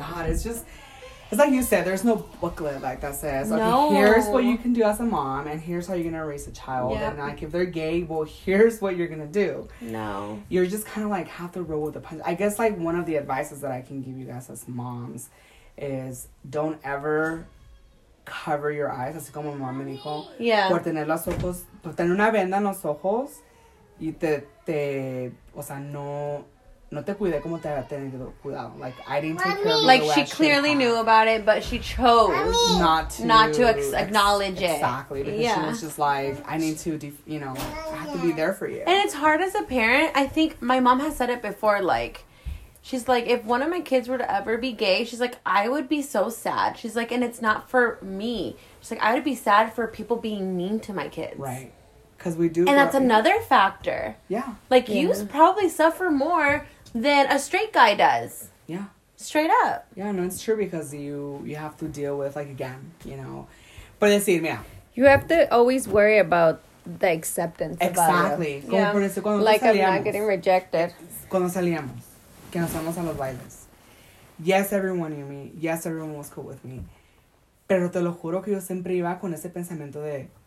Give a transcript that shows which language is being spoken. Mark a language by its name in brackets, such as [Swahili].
[English] It's like you said, there's no booklet like that says, okay, here's what you can do as a mom, and here's how you're going to raise a child. Yep. And like, if they're gay, well, here's what you're going to do. No. You're just kind of like, have to roll with the punch. I guess like one of the advices that I can give you guys as moms is don't ever cover your eyes. [Spanish] Así como mamá me dijo. [English] Yeah. [Spanish] Por tener los ojos, por tener una venda en los ojos, y te, o sea, no... No te cuidé como te había tenido cuidado. [English] Like, I didn't take care of you. Like, she clearly knew about it, but she chose not to acknowledge it. Exactly. Because she was just like, I need to, I have to be there for you. And it's hard as a parent. I think my mom has said it before, like, she's like, if one of my kids were to ever be gay, she's like, I would be so sad. She's like, and it's not for me. She's like, I would be sad for people being mean to my kids. Right. Because we do. And that's another factor. Yeah. Like, you probably suffer more than a straight guy does. Yeah. Straight up. Yeah, no, it's true because you have to deal with, like, again, you know. But it's, yeah. You have to always worry about the acceptance. Exactly. About it. Yeah. [Spanish] Como [English] like, [Spanish] salíamos, [English] I'm not getting rejected. [Spanish] Cuando salíamos, que nos vamos a los bailes. [English] Yes, everyone knew me. Yes, everyone was cool with me. [Spanish] Pero te lo juro que yo siempre iba con ese pensamiento de...